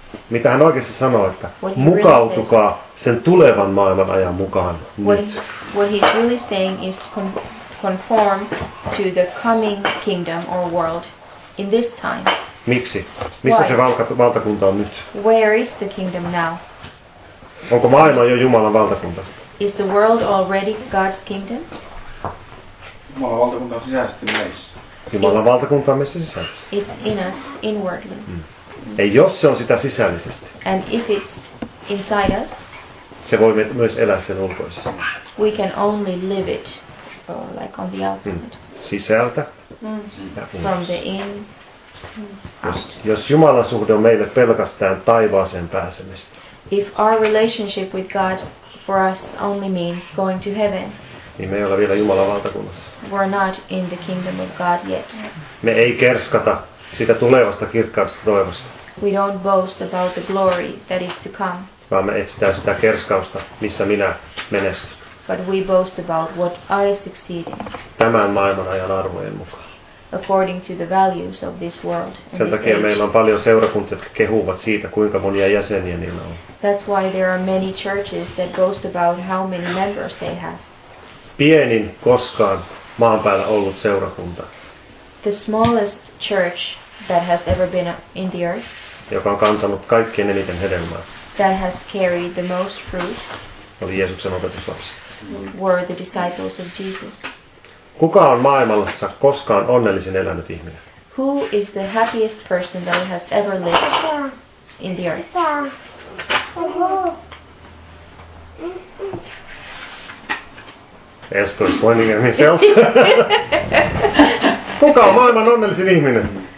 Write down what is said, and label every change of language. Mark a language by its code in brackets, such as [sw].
[fi] Mitä hän oikeasti sanoo, että mukautukaa sen tulevan maailman ajan mukaan nyt. [en] What he's really saying is conform to the coming kingdom or world in this time. [fi] Miksi? Missä se valtakunta on nyt? [en] Where is the kingdom now? [fi] Onko maailma jo Jumalan valtakunta? [en] Is the world already God's kingdom? [fi] Jumalan valtakunta on sisäisesti meissä. Jumalan valtakunta on meissä sisäisesti. [en] It's in us, inwardly. Mm. [fi] Ei, jos se on sitä sisällisesti. [en] And if it's inside us. [fi] Se voi myös elää sen ulkoisesti. [en] We can only live it like on the outside. Mm. [fi] Sisältä. [en] Mm. From the in. [fi] Jos Jumalan suhde on meille pelkästään taivaaseen pääsemistä. [en] If our relationship with God for us only means going to heaven. [fi] Niin me ei ole vielä Jumalan valtakunnassa. [en] We're not in the kingdom of God yet. [fi] Me ei kerskata siitä tulevasta kirkkaasta toivosta. [en] We don't boast about the glory that is to come. [fi] Vaan me etsitään sitä kerskausta, missä minä menestyn. [en] But we boast about what I succeed in. [fi] Tämän maailman ajan arvojen mukaan. [en] According to the values of this world. [fi] Sen takia meillä on paljon seurakuntia, jotka kehuvat siitä, kuinka monia jäseniä niillä on. [en] That's why there are many churches that boast about how many members they have. [fi] Pienin koskaan maan päällä ollut seurakunta. [en] The smallest church that has ever been in the earth. [fi] Joka on kantanut kaikkein eniten hedelmää. [en] That has carried the most fruit. [fi] Oli Jeesuksen opetuslapsi. [en] Were the disciples of Jesus. [fi] Kuka on maailmassa koskaan onnellisin elänyt ihminen? [en] Who is the happiest person that has ever lived in the earth? Esther's pointing at himself. [fi] Kuka on maailman onnellisin ihminen?